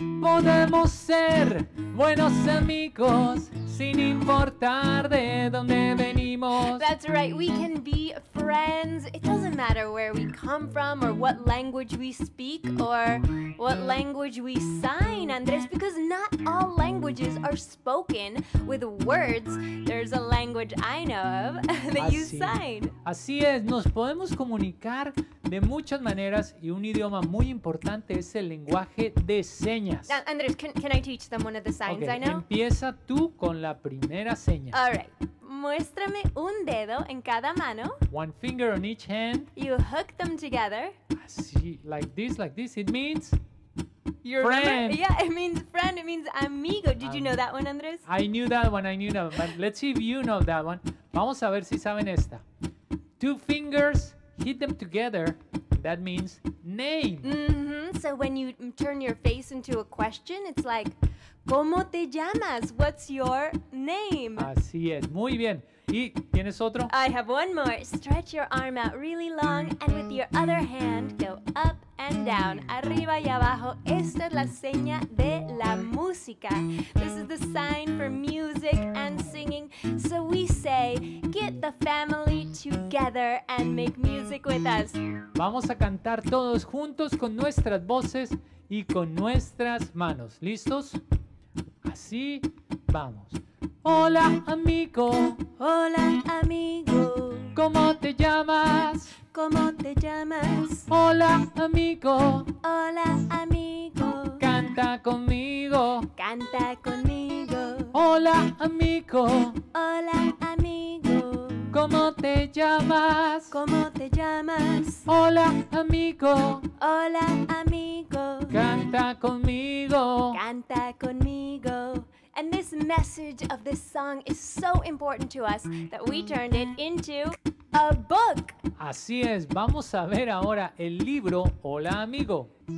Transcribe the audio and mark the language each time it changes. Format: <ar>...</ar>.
<es>Podemos ser buenos amigos sin importar de dónde venimos.</es> <en>That's right, we can be friends. It doesn't matter where we come from or what language we speak or what language we sign, Andrés, because not all languages are spoken with words. There's a language I know of that you sign.</en> <es>Así es, nos podemos comunicar de muchas maneras y un idioma muy importante es el lenguaje de señas.</es> <en>Now, Andrés, can I teach them one of the signs okay, I know?</en> <es>Empieza tú con la primera seña.</es> <en>All right.</en> <es>Muéstrame un dedo en cada mano.</es> <en>One finger on each hand. You hook them together. Así, like this, it means your friend. Remember? Yeah, it means friend, it means amigo. Did you know that one, Andrés? I knew that one, but let's see if you know that one.</en> <es>Vamos a ver si saben esta.</es> <en>Two fingers, hit them together, that means name. Mm-hmm, so when you turn your face into a question, it's like,</en> <es>¿cómo te llamas?</es> <en>What's your name?</en> <es>Así es, muy bien. ¿Y tienes otro?</es> <en>I have one more. Stretch your arm out really long and with your other hand go up and down.</en> <es>Arriba y abajo. Esta es la seña de la música.</es> <en>This is the sign for music and singing. So we say, get the family together and make music with us.</en> <es>Vamos a cantar todos juntos con nuestras voces y con nuestras manos. ¿Listos? Así vamos. Hola amigo. Hola amigo. ¿Cómo te llamas? ¿Cómo te llamas? Hola amigo. Hola amigo. Canta conmigo. Canta conmigo. Hola amigo. Hola amigo. ¿Cómo te llamas? ¿Cómo te llamas? Hola amigo. Hola amigo. Canta conmigo. Canta conmigo.</es> <en>And this message of this song is so important to us that we turned it into a book.</en> <es>Así es, vamos a ver ahora el libro Hola Amigo.</es>